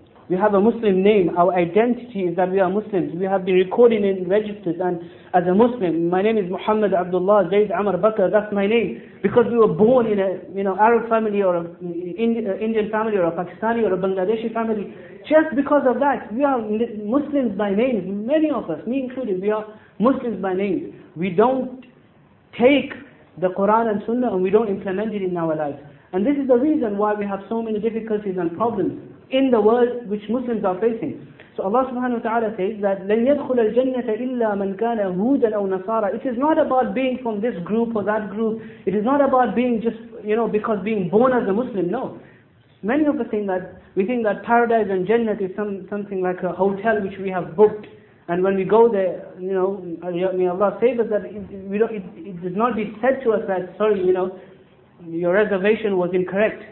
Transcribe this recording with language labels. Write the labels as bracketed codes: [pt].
[en] we have a Muslim name, our identity is that we are Muslims, we have been recorded in registers and as a Muslim, my name is Muhammad Abdullah Zaid Amar Bakr, that's my name, because we were born in a, you know, Arab family or an Indian family or a Pakistani or a Bangladeshi family, just because of that, we are Muslims by name, many of us, me included, we are Muslims by name. We don't take the Quran and Sunnah and we don't implement it in our lives. And this is the reason why we have so many difficulties and problems in the world which Muslims are facing. So Allah subhanahu wa ta'ala says that [ar] لَنْ يَدْخُلَ الْجَنَّةَ إِلَّا مَنْ كَانَ هُودًا أَوْ نَصَارًا. [en] It is not about being from this group or that group. It is not about being just, you know, because being born as a Muslim, no. Many of us think that, we think that paradise and Jannah is something like a hotel which we have booked. And when we go there, you know, may Allah save us, that it does not be said to us that, sorry, you know, your reservation was incorrect.